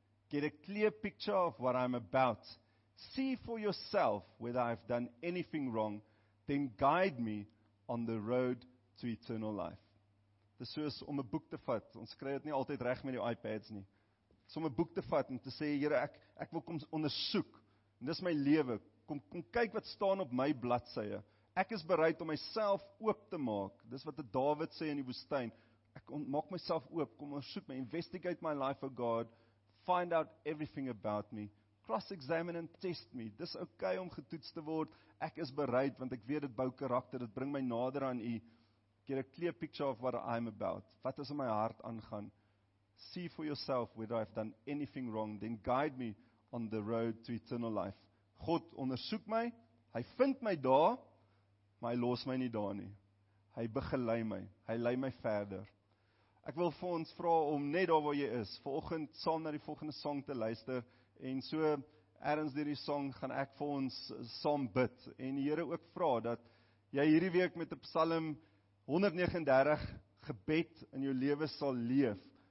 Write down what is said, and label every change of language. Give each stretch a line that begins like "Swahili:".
English: Get a clear picture of what I'm about. See for yourself whether I've done anything wrong. Then guide me on the road to eternal life.
Afrikaans: Dis soos om 'n boek te vat. Ons kry dit nie altyd reg met die iPads nie. Om 'n boek te vat en te sê, Here, ek wil kom ondersoek. En dis my lewe. Kom kyk wat staan op my bladsye. Ek is bereid om myself oop te maak. Dis wat Dawid sê in die woestyn. Maak myself oop. Kom ondersoek my.
English: Investigate my life, O God. Find out everything about me. Cross-examine and test me.
Afrikaans: Dis okay om getoets te word. Ek is bereid, want ek weet dit bou karakter. Dit bring my nader aan U.
English: Get a clear picture of what I'm about.
Afrikaans: Wat is in my hart aangaan?
English: See for yourself whether I've done anything wrong. Then guide me on the road to eternal life.
Afrikaans: God ondersoek my. Hy vind my daar. Maar hy los my nie daar nie. Hy begelei my. Hy lei my verder. Ek wil vir ons vra om net daar waar jy is, vanoggend saam na die volgende song te luister, en so ergens deur die song gaan ek vir ons saam bid, en die Here ook vra dat jy hierdie week met 'n Psalm 139 gebed in jou lewe sal leef.